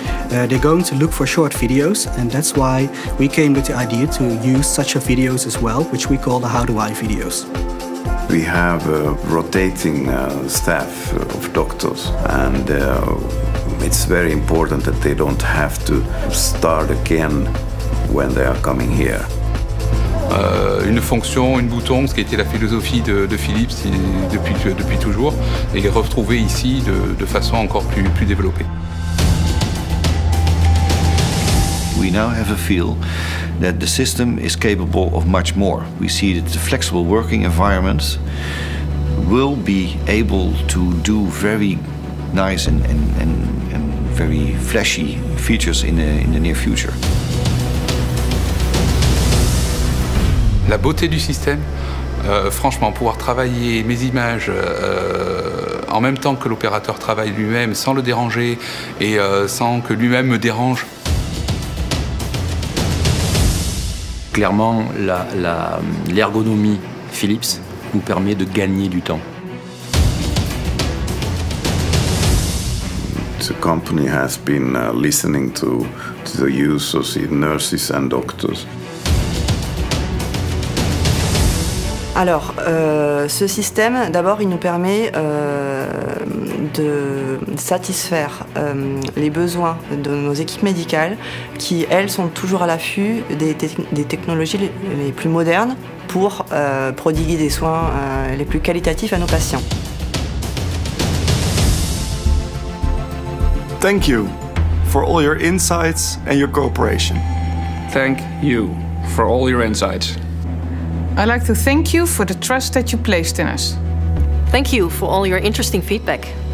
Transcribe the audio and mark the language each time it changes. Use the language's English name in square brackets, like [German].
[English] They're going to look for short videos, and that's why we came with the idea to use such a videos as well, which we call the How Do I videos. We have a rotating staff of doctors, and it's very important that they don't have to start again when they are coming here. [French] Une fonction, une bouton, ce qui a été la philosophie de Philips depuis toujours, et retrouver ici de façon encore plus développée. [English] We now have a feel that the system is capable of much more. We see that the flexible working environment will be able to do very nice and very flashy features in the near future. [French] La beauté du système, franchement, pouvoir travailler mes images en même temps que l'opérateur travaille lui-même, sans le déranger et sans que lui-même me dérange. Clairement, l'ergonomie Philips nous permet de gagner du temps. [English] The company has been listening to the users, nurses and doctors. [French] Alors, ce système, d'abord, il nous permet de satisfaire les besoins de nos équipes médicales qui, elles, sont toujours à l'affût des technologies les plus modernes pour prodiguer des soins les plus qualitatifs à nos patients. [English] Thank you for all your insights and your cooperation. Thank you for all your insights. I'd like to thank you for the trust that you placed in us. Thank you for all your interesting feedback.